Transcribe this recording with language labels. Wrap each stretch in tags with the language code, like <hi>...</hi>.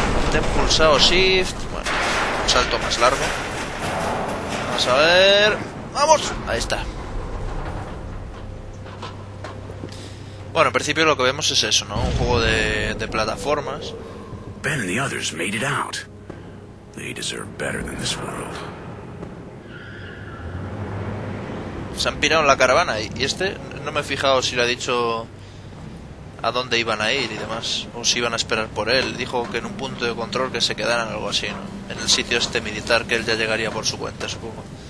<es>Te he pulsado shift. Bueno, un salto más largo. Vamos a ver. ¡Vamos! Ahí está. Bueno, en principio lo que vemos es eso, ¿no? Un juego de plataformas. Ben y los otros lo han hecho.</es> <en>They deserve better than this world.</en> <es>Se han pirado en la caravana. Y este, no me he fijado si lo ha dicho a dónde iban a ir y demás, o si iban a esperar por él. Dijo que en un punto de control que se quedaran, algo así, ¿no? En el sitio este militar, que él ya llegaría por su cuenta, supongo.</es>